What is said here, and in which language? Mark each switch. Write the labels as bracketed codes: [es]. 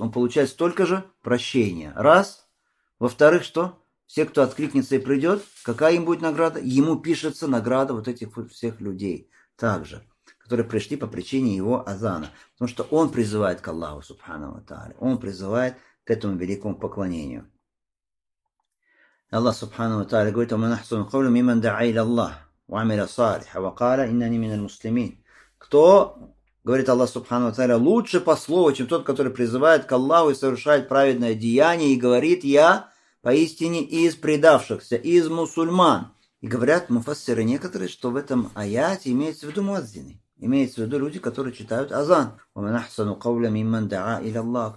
[ru] Он получает столько же прощения. Раз. Во-вторых, что? Все, кто откликнется и придет, какая им будет награда? Ему пишется награда вот этих вот всех людей также, которые пришли по причине его азана. Потому что он призывает к Аллаху, субхану ва тааля. Он призывает к этому великому поклонению. [ar] الله سبحانه وتعالى يقول ومن أحسن قول ممن دعا إلى الله وعمل صالح وقال إنني من المسلمين. [ru] Кто, говорит Аллах Субхану Тааля, лучше по слову, чем тот, который призывает к Аллаху и совершает праведное деяние, и говорит, я поистине из предавшихся, из мусульман. И говорят муфассиры некоторые, что в этом аяте имеется в виду муаззины. Имеется в виду люди, которые читают азан. «Умен ахсану кавля мимман даа иля Аллах».